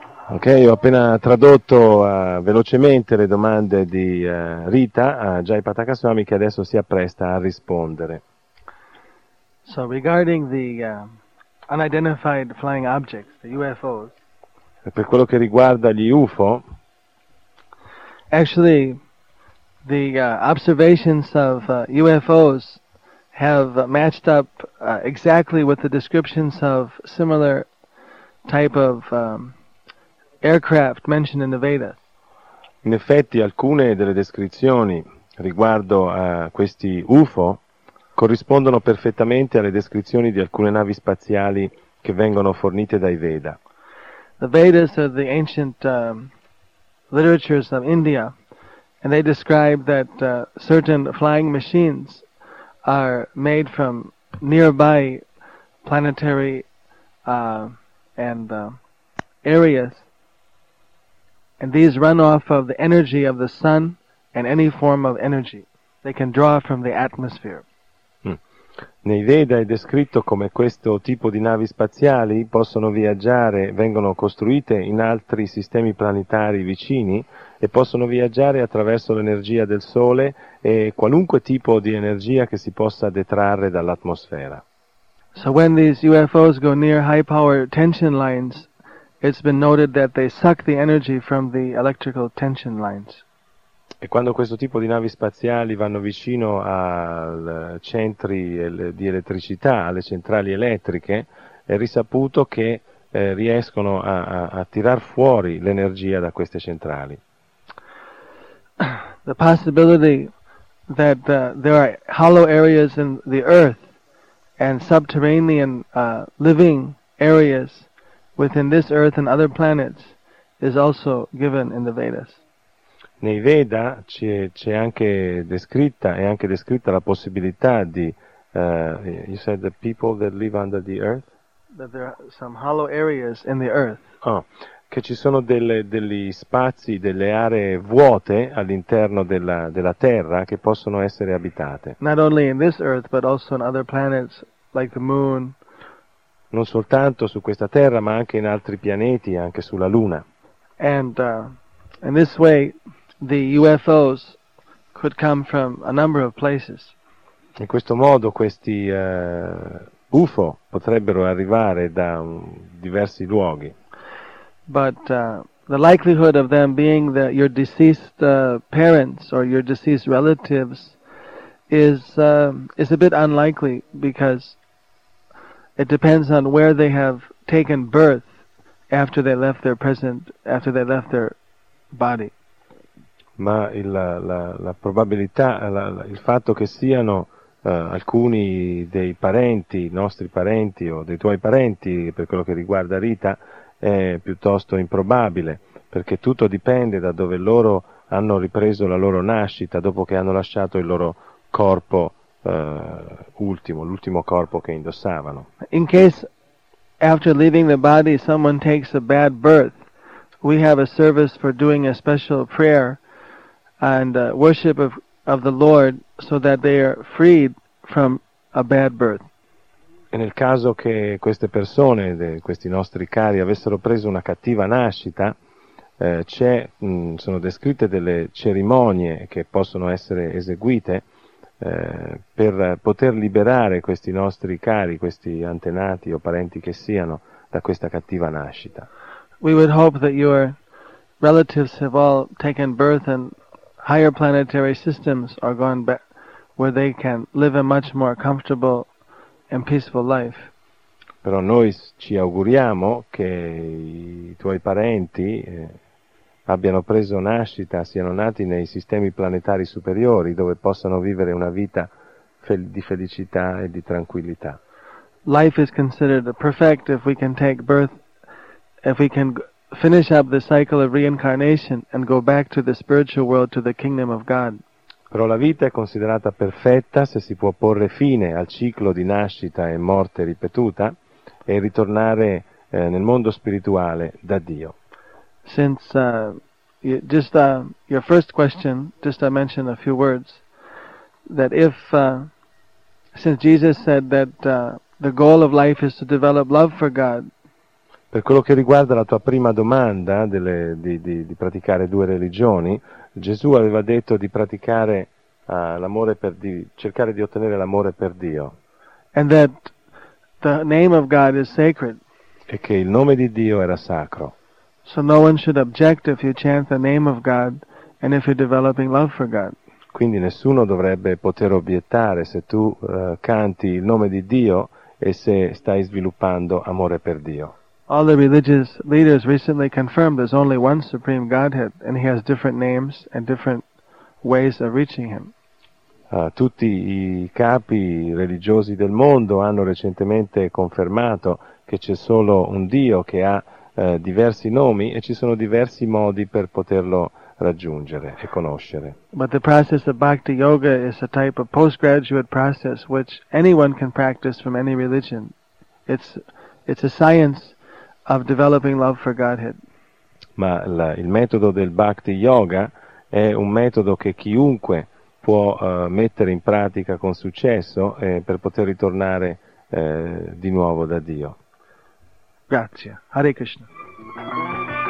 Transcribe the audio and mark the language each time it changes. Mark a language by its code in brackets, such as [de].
[it] Ok, ho appena tradotto velocemente le domande di Rita a Jai Patakaswami, che adesso si appresta a rispondere. [en] So regarding the unidentified flying objects, the UFOs. [it] E per quello che riguarda gli UFO, [en] actually the observations of UFOs have matched up exactly with the descriptions of similar type of aircraft mentioned in the Vedas. [it] In effetti alcune delle descrizioni riguardo a questi UFO corrispondono perfettamente alle descrizioni di alcune navi spaziali che vengono fornite dai Veda. [en] The Vedas are the ancient literatures of India, and they describe that certain flying machines are made from nearby planetary areas, and these run off of the energy of the sun and any form of energy they can draw from the atmosphere. [it] Nei Veda è descritto come questo tipo di navi spaziali possono viaggiare, vengono costruite in altri sistemi planetari vicini e possono viaggiare attraverso l'energia del Sole e qualunque tipo di energia che si possa detrarre dall'atmosfera. [en] So when these UFOs go near high power tension lines, it's been noted that they suck the energy from the electrical tension lines. [it] E quando questo tipo di navi spaziali vanno vicino ai centri di elettricità, alle centrali elettriche, è risaputo che riescono a tirar fuori l'energia da queste centrali. [en] The possibility that there are hollow areas in the earth and subterranean living areas within this earth and other planets is also given in the Vedas. [it] Nei Veda c'è anche descritta, è anche descritta la possibilità di, [en] you said the people that live under the earth? That there are some hollow areas in the earth. [it] Oh, che ci sono degli spazi, delle aree vuote all'interno della terra che possono essere abitate. [en] Not only in this earth, but also on other planets, like the moon. [it] Non soltanto su questa terra, ma anche in altri pianeti, anche sulla luna. [en] And in this way, the UFOs could come from a number of places. [it] In questo modo questi UFO potrebbero arrivare da diversi luoghi. [en] But the likelihood of them being your deceased parents or your deceased relatives is a bit unlikely, because it depends on where they have taken birth after they left their present, after they left their body. [it] Ma la probabilità, il fatto che siano alcuni dei parenti, nostri parenti o dei tuoi parenti, per quello che riguarda Rita, è piuttosto improbabile, perché tutto dipende da dove loro hanno ripreso la loro nascita dopo che hanno lasciato il loro corpo ultimo, l'ultimo corpo che indossavano. [en] In case after leaving the body someone takes a bad birth, we have a service for doing a special prayer and worship of the Lord so that they are freed from a bad birth. [it] E nel caso che queste persone, questi nostri cari, avessero preso una cattiva nascita, sono descritte delle cerimonie che possono essere eseguite per poter liberare questi nostri cari, questi antenati o parenti che siano, da questa cattiva nascita. [en] We would hope that your relatives have all taken birth and higher planetary systems are gone back, where they can live a much more comfortable and peaceful life. [it] Però noi ci auguriamo che i tuoi parenti abbiano preso nascita, siano nati nei sistemi planetari superiori, dove possano vivere una vita di felicità e di tranquillità. [en] Life is considered perfect if we can take birth, if we can finish up the cycle of reincarnation and go back to the spiritual world, to the kingdom of God. [it] Però la vita è considerata perfetta se si può porre fine al ciclo di nascita e morte ripetuta e ritornare nel mondo spirituale da Dio. [en] Since your first question, just I mention a few words that since Jesus said that the goal of life is to develop love for God. [it] Per quello che riguarda la tua prima domanda di praticare due religioni, Gesù aveva detto di praticare l'amore per Dio, cercare di ottenere l'amore per Dio. [en] And that the name of God is sacred. [it] E che il nome di Dio era sacro. [en] So no one should object if you chant the name of God and if you're developing love for God. [it] Quindi nessuno dovrebbe poter obiettare se tu canti il nome di Dio e se stai sviluppando amore per Dio. [en] All the religious leaders recently confirmed there's only one supreme Godhead and he has different names and different ways of reaching him. [it] Tutti i capi religiosi del mondo hanno recentemente confermato che c'è solo un Dio che ha diversi nomi e ci sono diversi modi per poterlo raggiungere e conoscere. [en] But the process of bhakti yoga is a type of postgraduate process which anyone can practice from any religion. It's a science of developing love for Godhead. [it] Ma il metodo del bhakti yoga è un metodo che chiunque può mettere in pratica con successo per poter ritornare di nuovo da Dio. Grazie. Hare Krishna.